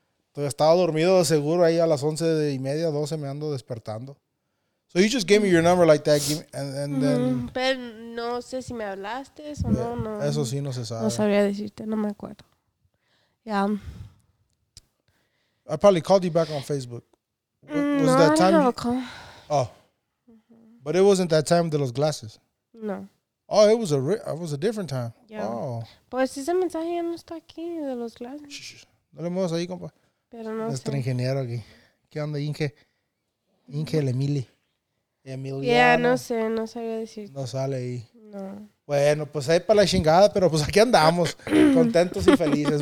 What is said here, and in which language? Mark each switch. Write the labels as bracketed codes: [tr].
[es] Entonces, estaba dormido seguro ahí a las 11 y media, 12 me ando despertando. [en] So you just gave me your number like that, and then... [es] Pero no sé si me hablaste o [en] yeah, [es] no. Eso sí no se sabe. No sabría decirte, no me acuerdo. Yeah. [en] I probably called you back on Facebook. I didn't have a call. Oh. Mm-hmm. But it wasn't that time [es] de los [en] glasses. No. Oh, it was a different time. Yeah. Oh. [es] Pues ese mensaje ya no está aquí, de los glasses. No le muevas ahí, compa. Pero no sé. Nuestro ingeniero aquí. ¿Qué onda, Inge? Inge el Emili. Emiliano. Yeah, no sé, no sabía decir. No sale ahí. No. Bueno, pues ahí para la chingada, pero pues aquí andamos, contentos y felices.